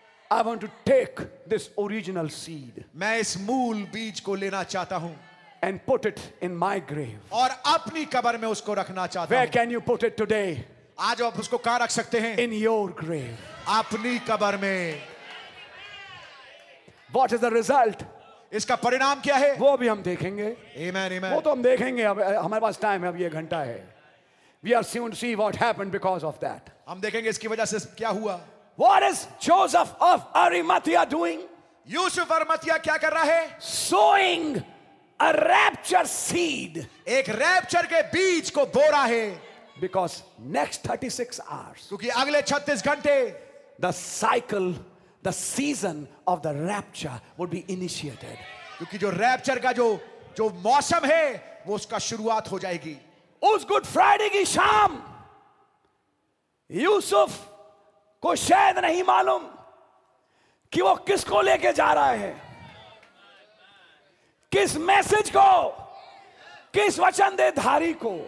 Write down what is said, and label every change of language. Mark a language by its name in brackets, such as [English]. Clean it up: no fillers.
[English] I want to take this original seed. [Hindi] मैं इस मूल बीज को लेना चाहता हूं। [English] And put it in my grave. [Hindi] और अपनी कब्र में उसको रखना चाहता [English] हूं। Where can you put it today? [Hindi] आज आप उसको कहां रख सकते हैं? [English] In your grave. [Hindi] अपनी कब्र में। [English] What is the result? [Hindi] इसका परिणाम क्या है? वो भी हम देखेंगे। [English] Amen, amen. [Hindi] वो तो हम देखेंगे। अब हमारे पास टाइम है, अब ये घंटा है। [English] We are soon to see what happened because of that. [Hindi] हम देखेंगे इसकी वजह से क्या हुआ। [English] What is Joseph of Arimathea doing? [Hindi] Yusuf अरमतिया क्या कर रहा है? [English] Sowing a rapture seed. [Hindi] एक रैप्चर के बीज को बो रहा है। [English] Because next 36 hours. [Hindi] क्योंकि अगले 36 घंटे [English] the cycle, the season of the rapture would be initiated. [Hindi] क्योंकि जो रैप्चर का जो जो मौसम है वो उसका शुरुआत हो जाएगी। उस गुड फ्राइडे की शाम यूसुफ को शायद नहीं मालूम कि वो किसको लेके जा रहा है, किस मैसेज को, किस वचन देधारी को